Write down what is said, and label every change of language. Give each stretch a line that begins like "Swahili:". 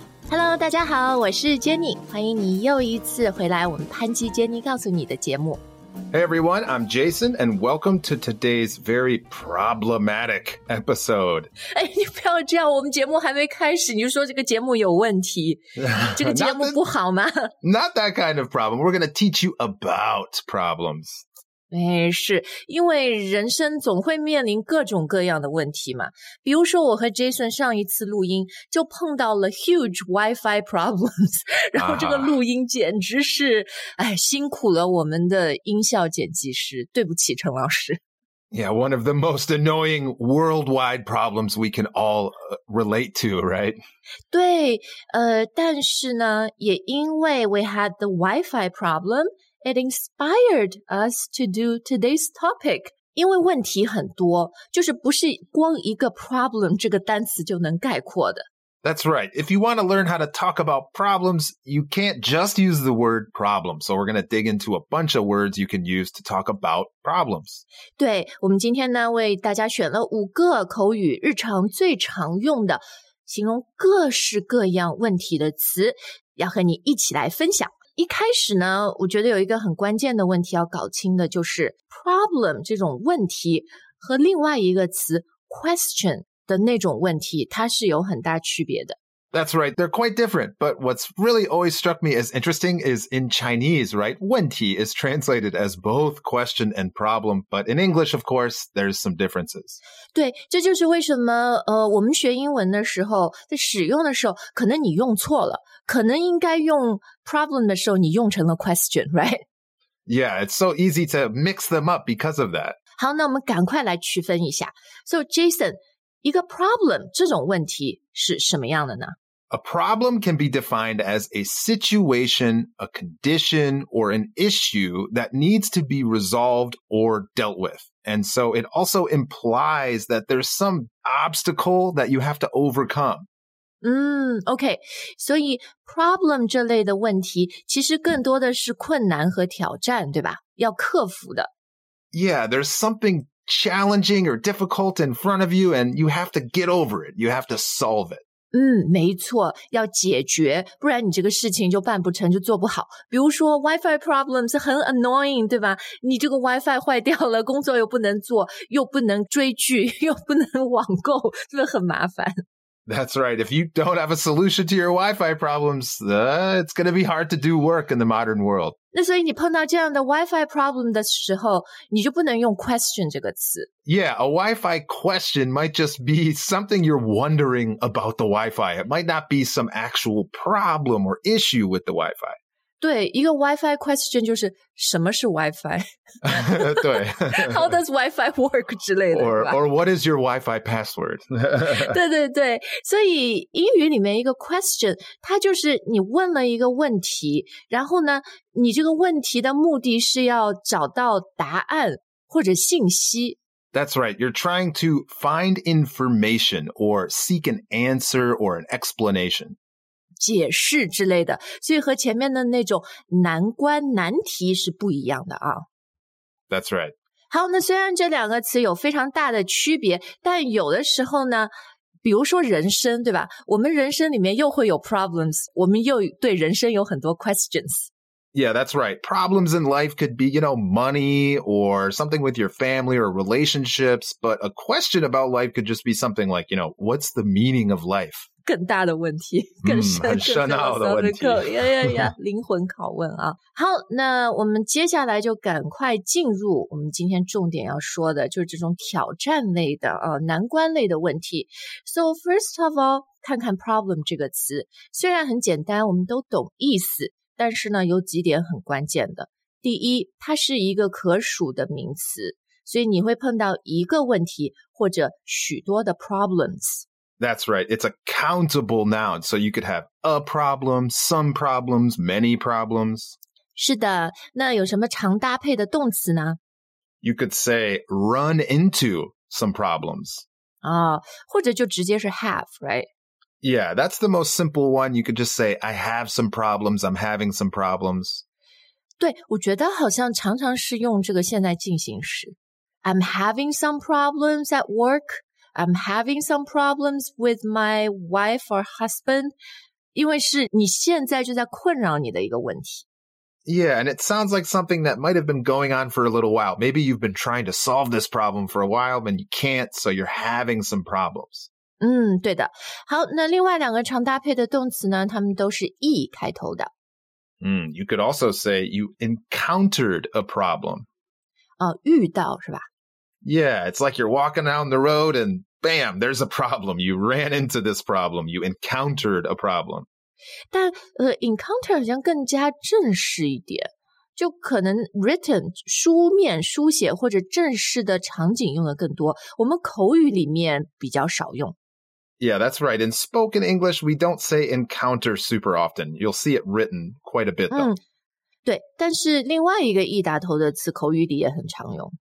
Chinese: Hello， 大家好，我是 Jenny， 欢迎你又一次回来我们潘基 Jenny 告诉你的节目。
English: Hey everyone, I'm Jason, and welcome to today's very problematic episode.
Chinese: 哎，你不要这样，我们节目还没开始，你就说这个节目有问题，这个节目不好吗？
English: Not that kind of problem. We're going to teach you about problems.
Chinese: 哎，是，因为人生总会面临各种各样的问题嘛。比如说我和 Jason 上一次录音就碰到了
English: huge Wi-Fi problems，
Chinese: 然后这个录音简直是、辛苦了我们的音效剪辑师，对不起陈老师。
English: Yeah, one of the most annoying worldwide problems we can all relate to, right?
Chinese: 对，但是呢，也因为
English: we had the Wi-Fi problem,It inspired us to do today's topic.
Chinese: 因为问题很多，就是不是光一个 problem 这个单词就能概括的。
English: That's right. If you want to learn how to talk about problems, you can't just use the word problem. So we're going to dig into a bunch of words you can use to talk about problems.
Chinese: 对，我们今天呢，为大家选了五个口语日常最常用的形容各式各样问题的词，要和你一起来分享。一开始呢，我觉得有一个很关键的问题要搞清的，就是 problem 这种问题和另外一个词 question 的那种问题，它是有很大区别的。
English: That's right, they're quite different. But what's really always struck me as interesting is in Chinese, right? 问题 is translated as both question and problem. But in English, of course, there's some differences.
Chinese: 对，这就是为什么我们学英文的时候，在使用的时候，可能你用错了，可能应该用 problem 的时候，你用成了 question, right?
English: Yeah, it's so easy to mix them up because of that.
Chinese: 好，那我们赶快来区分一下。
English: So, Jason...
Chinese: 一个 problem 这种问题是什么样的呢？
English: A problem can be defined as a situation, a condition, or an issue that needs to be resolved or dealt with. And so it also implies that there's some obstacle that you have to overcome.
Chinese: OK, 所以 problem 这类的问题其实更多的是困难和挑战，对吧？要克服的。
English: Yeah, there's somethingchallenging or difficult in front of you, and you have to get over it. You have to solve it.
Chinese: 没错，要解决，不然你这个事情就办不成，就做不好。比如说 Wi-Fi problems 很 annoying, 对吧？你这个 Wi-Fi 坏掉了，工作又不能做，又不能追剧，又不能网购，真的很麻烦。
English: That's right. If you don't have a solution to your Wi-Fi problems, it's going to be hard to do work in the modern world.
Chinese: 那所以你碰到这样的 Wi-Fi problem 的时候，你就不能用 question 这个词。
English: Yeah, a Wi-Fi question might just be something you're wondering about the Wi-Fi. It might not be some actual problem or issue with the Wi-Fi.
Chinese: 对，一个 Wi-Fi question 就是什么是 Wi-Fi? 对。
English: How does Wi-Fi work?
Chinese: 之类的。
English: Or what is your Wi-Fi password?
Chinese: 对对对。所以英语里面一个 question, 它就是你问了一个问题，然后呢，你这个问题的目的是要找到答案或者信息。
English: That's right. You're trying to find information or seek an answer or an explanation.
Chinese: 解释之类的，所以和前面的那种难关难题是不一样的啊。
English: That's right.
Chinese: 好，那虽然这两个词有非常大的区别，但有的时候呢，比如说人生，对吧？我们人生里面又会有 problems， 我们又对人生有很多 questions。
English: Yeah, that's right. Problems in life could be, you know, money or something with your family or relationships, but a question about life could just be something like, you know, what's the meaning of life?
Chinese: 更大的问题，更深深奥的问题，灵魂拷问啊。好，那我们接下来就赶快进入我们今天重点要说的，就是这种挑战类的啊，难关类的问题。
English: So first of all,
Chinese: 看看 problem 这个词，虽然很简单，我们都懂意思，但是呢，有几点很关键的。第一，它是一个可数的名词，所以你会碰到一个问题或者许多的 problems。
English: That's right. It's a countable noun. So you could have a problem, some problems, many problems.
Chinese: 是的，那有什么常搭配的动词呢？
English: You could say run into some problems.
Chinese: 哦，或者就直接是 have, right?
English: Yeah, that's the most simple one. You could just say, I have some problems, I'm having some problems.
Chinese: 对，我觉得好像常常是用这个现在进行时。
English: I'm having some problems at work.I'm having some problems with my wife or husband.
Chinese: 因为是你现在就在困扰你的一个问题。
English: Yeah, and it sounds like something that might have been going on for a little while. Maybe you've been trying to solve this problem for a while, but you can't, so you're having some problems.
Chinese: 嗯，对的。好，那另外两个常搭配的动词呢，它们都是 E 开头的。
English: You could also say you encountered a problem.
Chinese: 哦，遇到是吧？
English: Yeah, it's like you're walking down the road and bam, there's a problem. You ran into this problem. You encountered a problem.
Chinese: 但encounter 好像更加正式一点，就可能 written 书面书写或者正式的场景用的更多，我们口语里面比较少用。
English: Yeah, that's right. In spoken English, we don't say encounter super often. You'll see it written quite a bit, though.
Chinese: 对，但是另外一个E打头的词口语里也很常用。